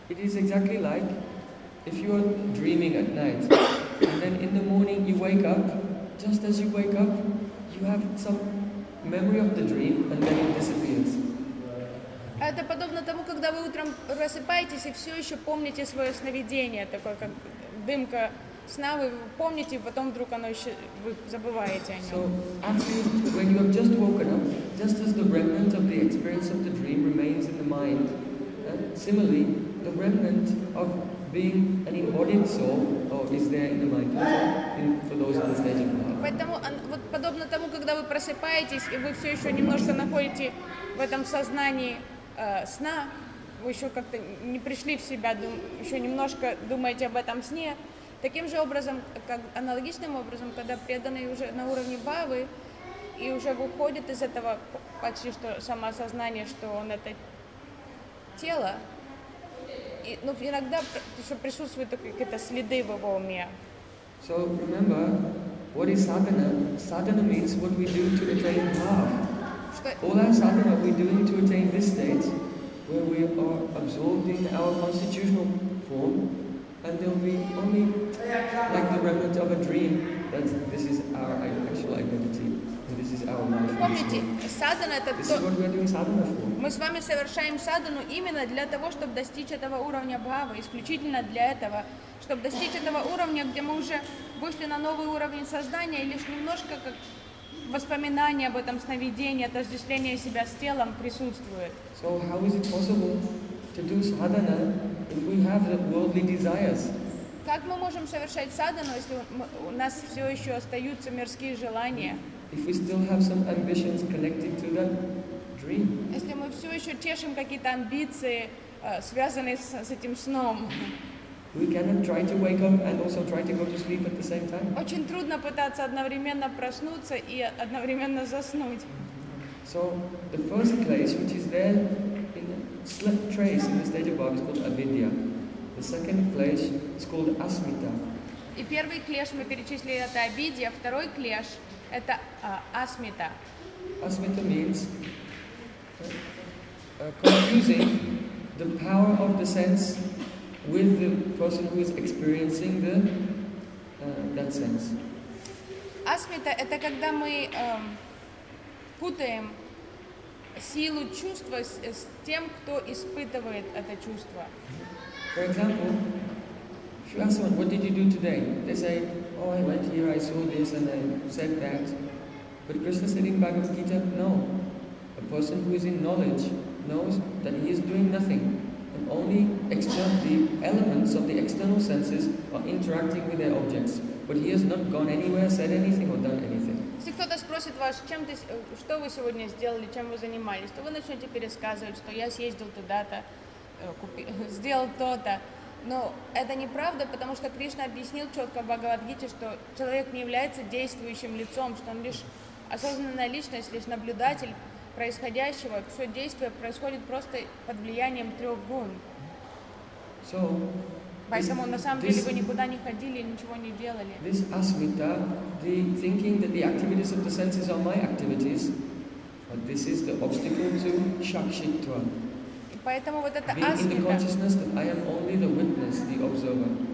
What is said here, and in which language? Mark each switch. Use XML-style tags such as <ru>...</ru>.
<en>It is exactly like if you are dreaming at night, and then in the morning you wake up, just as you wake up, you have some memory of the dream, and then it disappears.</en> <ru>Это подобно тому, когда вы утром просыпаетесь и все еще помните свое сновидение, такое как дымка сна, вы помните, и потом вдруг оно еще, вы забываете о нем.</ru> <en>So, after, when you have just woken up, just as the remnant of the experience of the dream remains in the mind, similarly, the remnant of being an embodied soul is there in the mind, for those on the stage of bhava.</en> <ru>Поэтому, вот подобно тому, когда вы просыпаетесь, и вы все еще немножко находите в этом сознании, сна, вы еще как-то не пришли в себя, еще немножко думаете об этом сне. Таким же образом, как аналогичным образом, когда преданный уже на уровне бхавы и уже выходит из этого почти что самоосознание, что он это тело, и, ну, иногда еще присутствуют какие-то следы в его уме.</ru> <en>So remember, what is sadhana? Sadhana means what we do to attain love. All our sadhana we're doing to attain this state where we are absorbed in our constitutional form and there'll be only like the remnant of a dream that this is our actual identity and this is our life. This is what we're doing sadhana for.</en> <ru>Мы с вами совершаем садхану именно для того, чтобы достичь этого уровня бхавы, исключительно для этого, чтобы достичь этого уровня, где мы уже вышли на новый уровень сознания и лишь немножко как воспоминания об этом сновидении, отождествление себя с телом присутствует.</ru> <en>So how is it possible to do sadhana if we have the worldly desires?</en> <ru>Как мы можем совершать садхану, если у нас все еще остаются мирские желания?</ru> <en>If we still have some ambitions connected to that dream?</en> <ru>Если мы все еще тешим какие-то амбиции, связанные с этим сном?</ru> <en>We cannot try to wake up and also try to go to sleep at the same time.</en> <ru>Очень трудно пытаться одновременно проснуться и одновременно заснуть.</ru> <en>So the first place, which is there in a slight trace in the stage of bhava, is called avidya. The second place is called asmita.</en> <ru>И первый клеш мы перечислили это авидья, второй клеш это асмита.</ru> <en>Asmita means confusing the power of the sense with the person who is experiencing the that sense.</en> <ru>Асмита – это когда мы путаем силу чувства с тем, кто испытывает это чувство.</ru> <en>For example, if you ask someone, what did you do today? They say, oh, I went here, I saw this, and I said that. But Krishna said in Bhagavad Gita, no. A person who is in knowledge knows that he is doing nothing. And only the elements of the external senses are interacting with their objects. But he has not gone anywhere, said anything, or done anything.</en> <ru>Если кто-то спросит вас, чем ты, что вы сегодня сделали, чем вы занимались, то вы начнете пересказывать, что я съездил туда-то, сделал то-то. Но это неправда, потому что Кришна объяснил четко в Бхагавад-гите, что человек не является действующим лицом, что он лишь осознанная личность, лишь наблюдатель происходящего. Все действие происходит просто под влиянием трех гун.</ru> <en>So,</en> <ru>поэтому на самом деле вы никуда не ходили, ничего не делали.</ru> <en>This asmita, the thinking that the activities of the senses are my activities, but this is the obstacle to shakshitva.</en> <ru>Поэтому вот это</ru> <en>asmita. Being in the consciousness that I am only the witness, the observer.</en>